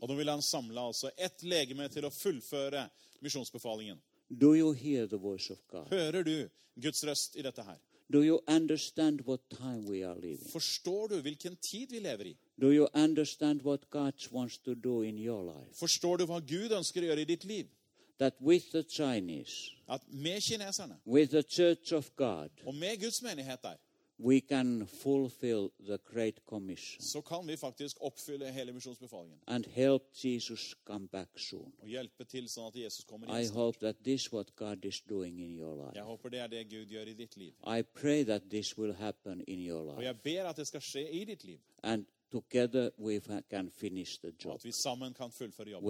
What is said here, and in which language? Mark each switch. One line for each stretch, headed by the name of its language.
Swedish: Och då vill han samla alltså ett legeme till att fullföra missionsbefallningen.
English: Do you hear the voice of God?
Swedish: Hör du Guds röst I detta här?
English: Do you understand what time we are living?
Swedish: Förstår du vilken tid vi lever I?
English: Do you understand what God wants to do in your life?
Swedish: Förstår du vad Gud önskar göra I ditt liv?
English: That with the Chinese.
Swedish: Att med kineserna.
English: With the church of God.
Swedish: Och med Guds menighet där.
English: We can fulfill the great commission.
Swedish: Så kan vi faktiskt uppfylla hela missionsbefallningen.
English: And help Jesus come back soon.
Swedish: Och hjälpa till så att Jesus kommer
English: igen. I hope that this what God is doing in your life.
Swedish: Jag hoppas det är det Gud gör I ditt liv.
English: I pray that this will happen in your life.
Swedish: Och jag ber att det ska ske I ditt liv.
English: And together we can finish the job.
Swedish: Att vi samman kan fullföra jobbet.